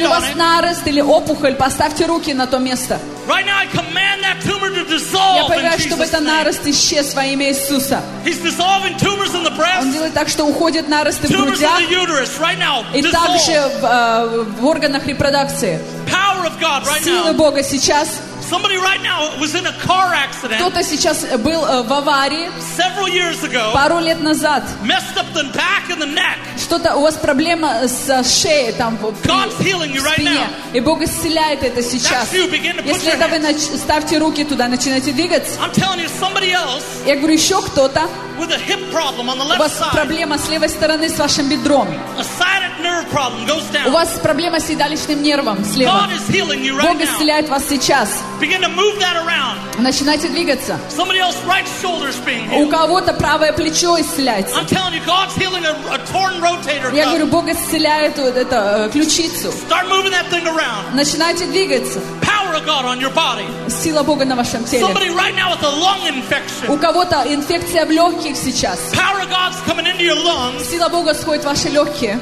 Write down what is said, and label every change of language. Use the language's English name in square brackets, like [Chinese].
[Russian] Если у вас нарост или опухоль, поставьте руки на то место. [English] Right now I command that tumor to dissolve. [Russian] Я повелеваю, чтобы этот нарост исчез во имя Иисуса. [English] He's dissolving tumors in the breast. [Russian] Он делает так, что уходят наросты в грудях. [English] Tumors in the uterus right now. [Russian] И также в органах репродукции. [English] Power of God right now. [Russian] Силы Бога сейчас. [English] Somebody right now was in a car accident. [Russian] Кто-то сейчас был в аварии. [English] Several years ago. [Russian] Пару лет назад. [English] Messed up the back and the neck. [Russian] Что-то у вас проблема с шеей там в спине. [English] God's healing you right now. [Russian] И Бог исцеляет это сейчас. [English] That's you. Begin to put [Russian] если [English] your hands. [Russian] Если это вы ставьте руки туда, начинайте двигаться. [English] I'm telling you, somebody else. [Russian] Я говорю, еще кто-то. [English] With a hip problem on the left side. [Russian] У вас проблема с левой стороны с вашим бедром. [English] A sciatic nerve problem goes down. [Russian] У вас проблема с седалищным нервом слева. [English] God is healing you right now. [Russian] Бог исцеляет вас сейчас. [English] Begin to move that around. [Russian] Начинайте двигаться. [English] Somebody else's right shoulder is being healed. [Russian] У кого-то правое плечо исцеляется. [English] I'm telling you, God's healing a torn rotator cuff. [Russian] Я говорю, Бог исцеляет вот это ключицу. [English] Start moving that thing around. [Russian] Начинайте двигаться. [English] Power of God on your body. [Russian] Сила Бога на вашем теле. [English] Somebody right now with a lung infection. [Russian] У кого-то инфекция в легких сейчас. [English] Power of God's coming into your lungs. [Russian] Сила Бога сходит в ваши легкие.